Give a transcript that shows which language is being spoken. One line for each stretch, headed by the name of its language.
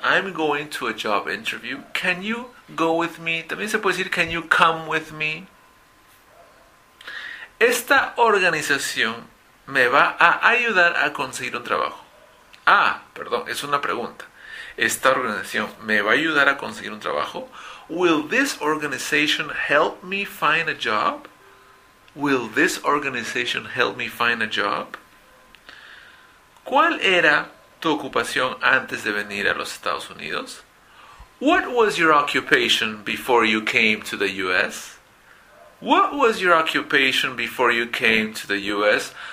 English: I'm going to a job interview. Can you go with me?
Spanish: También se puede decir,
English: can you come with me?
Spanish: Esta organización me va a ayudar a conseguir un trabajo. Ah, perdón, es una pregunta. ¿Esta organización me va a ayudar a conseguir un trabajo?
English: Will this organization help me find a job? Will this organization help me find a job?
Spanish: ¿Cuál era tu ocupación antes de venir a los Estados Unidos?
English: What was your occupation before you came to the US? What was your occupation before you came to the US?